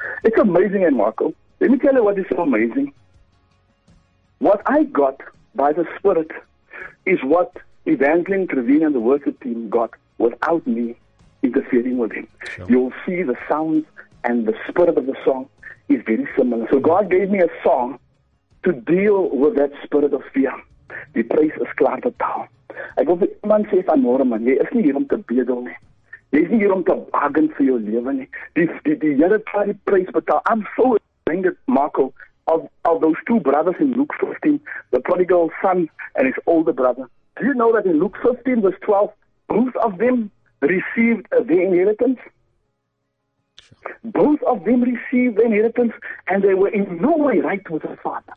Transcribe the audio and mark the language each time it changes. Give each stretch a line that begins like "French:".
English: It's amazing, and Marco, let me tell you what is so amazing. What I got by the Spirit is what Evangeline Trevine and the worship team got without me interfering with him. Sure. You'll see the sounds and the spirit of the song is very similar. So God gave me a song to deal with that spirit of fear. The praise is
Afrikaans: klaar betaal. Ek wil vir iemand sê vanmôre, man, jy is nie hier om te bedel nie. Jy is nie hier om te bargain vir jou lewe nie. Die Here het klaar die prys betaal.
English: I'm so reminded, Marco, of those two brothers in Luke 15, the prodigal son and his older brother. Do you know that in Luke 15, verse 12, both of them received the inheritance? Both of them received the inheritance, and they were in no way right with the Father.